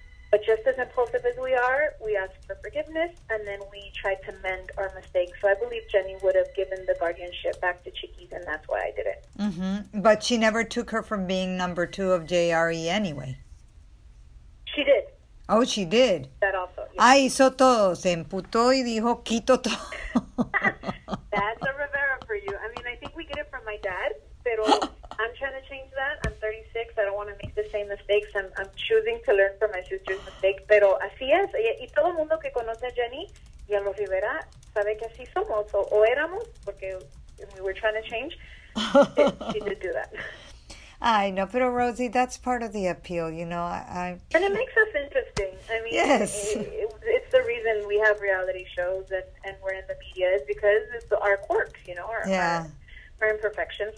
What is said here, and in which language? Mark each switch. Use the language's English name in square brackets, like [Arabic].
[English] but just as impulsive as we are, we ask for forgiveness, and then we try to mend our mistakes. So I believe Jenny would have given the guardianship back to Chiquis, and that's why I did it. Mm-hmm. But she never took her from being number two of JRE anyway. She did. Oh, she did. That also. Yes. [Spanish] Ah, hizo todo. Se emputó y dijo, quito todo. [English] That's a Rivera for you. I mean, I think we get it from my dad, [Spanish] pero [English] I'm trying to change that. I'm 36. I don't want to make the same mistakes. I'm choosing to learn from my sister's mistake. [Spanish] Pero así es. Y todo el mundo que conoce a Jenny y a los Rivera sabe que así somos. O éramos, porque [English] we were trying to change. She did do that. I know, but Rosie, that's part of the appeal, you know. And it makes us interesting. I mean, yes. it's the reason we have reality shows and we're in the media is because it's our quirks, you know, our imperfections.